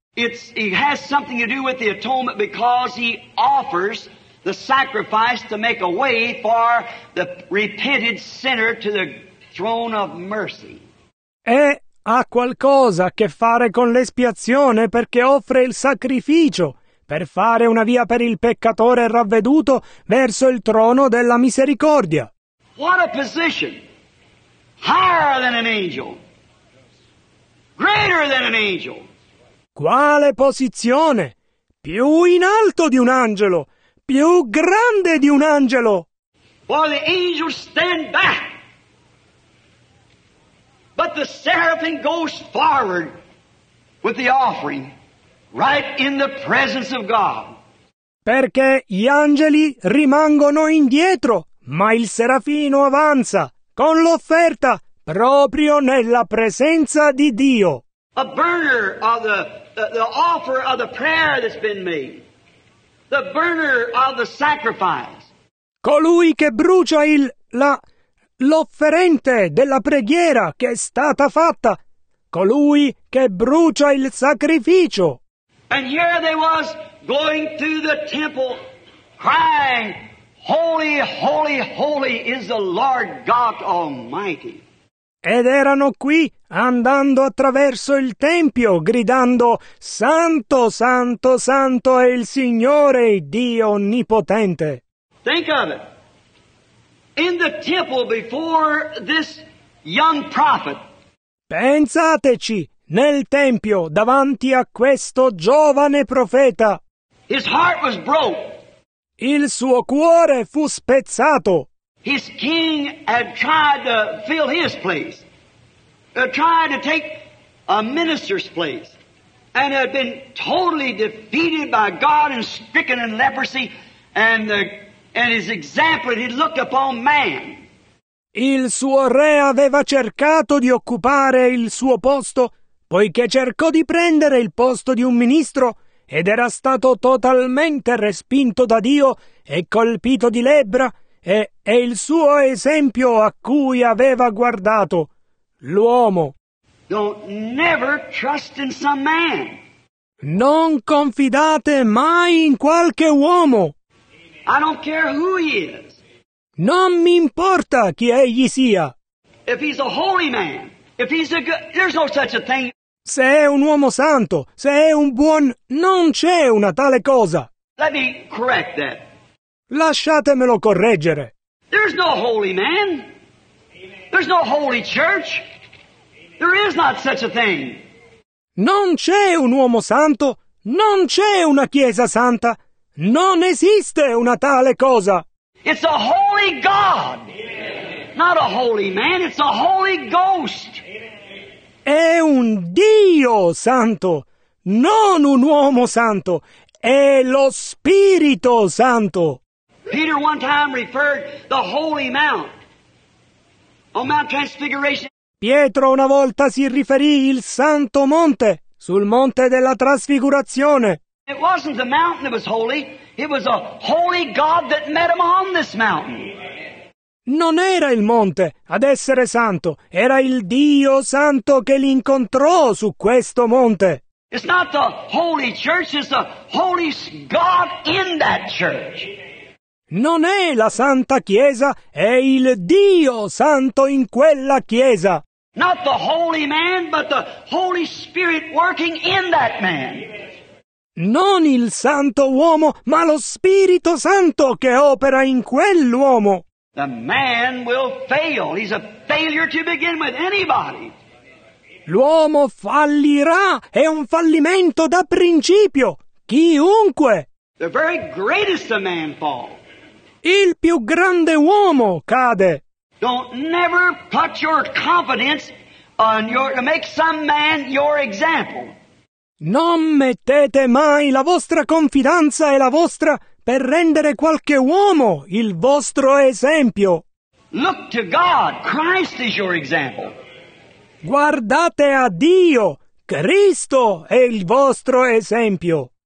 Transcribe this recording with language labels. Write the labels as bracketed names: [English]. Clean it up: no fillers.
[English] He has something to do with the atonement because he offers the sacrifice to make a way for the repented sinner to the throne of mercy. [Italian] E ha qualcosa a che fare con l'espiazione perché offre il sacrificio per fare una via per il peccatore ravveduto verso il trono della misericordia. [English] What a position! Higher than an angel! Greater than an angel! [Italian] Quale posizione! Più in alto di un angelo! Più grande di un angelo! [English] For the angels stand back! But the seraphim goes forward with the offering right in the presence of God. [Italian] Perché gli angeli rimangono indietro, ma il serafino avanza con l'offerta proprio nella presenza di Dio. [English] A burner of the offer of the prayer that's been made. The burner of the sacrifice. [Italian] Colui che brucia l'offerente della preghiera che è stata fatta, colui che brucia il sacrificio. [English] And here they was going to the temple crying, holy, holy, holy is the Lord God Almighty. [Italian] Ed erano qui andando attraverso il tempio gridando, santo, santo, santo è il Signore Dio Onnipotente. [English] Think of it. In the temple before this young prophet. [Italian] Pensateci, nel tempio davanti a questo giovane profeta. [English] His heart was broke. [Italian] Il suo cuore fu spezzato. [English] His king had tried to fill his place, tried to take a minister's place, and had been totally defeated by God and stricken in leprosy, and his example he looked upon man. [Italian] Il suo re aveva cercato di occupare il suo posto, poiché cercò di prendere il posto di un ministro, ed era stato totalmente respinto da Dio e colpito di lebbra, e il suo esempio a cui aveva guardato, l'uomo. [English] Don't never trust in some man. [Italian] Non confidate mai in qualche uomo. [English] I don't care who he is. [Italian] Non mi importa chi egli sia. [English] If he's a holy man, if he's a good, there's no such a thing. [Italian] Se è un uomo santo, se è un buon, non c'è una tale cosa. [English] Let me correct that. [Italian] Lasciatemelo correggere. [English] There's no holy man. There's no holy church. There is not such a thing. [Italian] Non c'è un uomo santo, non c'è una chiesa santa. Non esiste una tale cosa. [English] It's a holy God. Not a holy man, it's a Holy Ghost. [Italian] È un Dio santo, non un uomo santo, è lo Spirito Santo. [English] Peter one time referred the Holy Mount. On Mount Transfiguration. [Italian] Pietro una volta si riferì il Santo Monte, sul Monte della Trasfigurazione. [English] It wasn't the mountain that was holy, it was a holy God that met him on this mountain. [Italian] Non era il monte ad essere santo, era il Dio santo che l'incontrò su questo monte. [English] It's not the holy church, it's the holy God in that church. [Italian] Non è la santa chiesa, è il Dio santo in quella chiesa. [English] Not the holy man, but the Holy Spirit working in that man. [Italian] Non il santo uomo, ma lo Spirito Santo che opera in quell'uomo. [English] The man will fail. He's a failure to begin with anybody. [Italian] L'uomo fallirà, è un fallimento da principio, chiunque. [English] The very greatest of man fall. [Italian] Il più grande uomo cade. [English] Don't never put your confidence on your to make some man your example. [Italian] Non mettete mai la vostra confidenza e la vostra per rendere qualche uomo il vostro esempio. [English] Look to God. Christ is your example. [Italian] Guardate a Dio. Cristo è il vostro esempio.